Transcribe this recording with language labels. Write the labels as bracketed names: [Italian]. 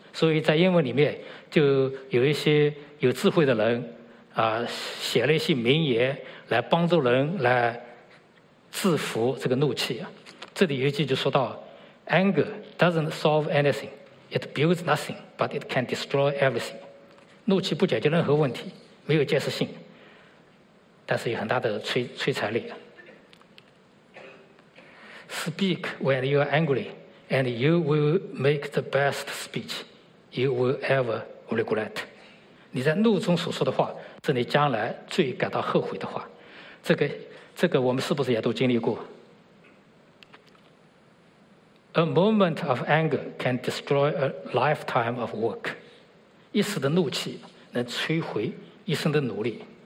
[Chinese] 所以在英文里面就有一些有智慧的人写了一些名言来帮助人来制服这个怒气啊。这里有一句就说到 [English] Anger doesn't solve anything, it builds nothing, but it can destroy everything. [Chinese] 怒气不解决任何问题，没有建设性，但是有很大的摧残力。 [English] Speak when you are angryAnd you will make the best speech you will ever regret. [Chinese] 你在怒中所说的话，是你将来最感到后悔的话。这个我们是不是也都经历过 [English] ？A moment of anger can destroy a lifetime of work. [Chinese] 一时的怒气能摧毁一生的努力。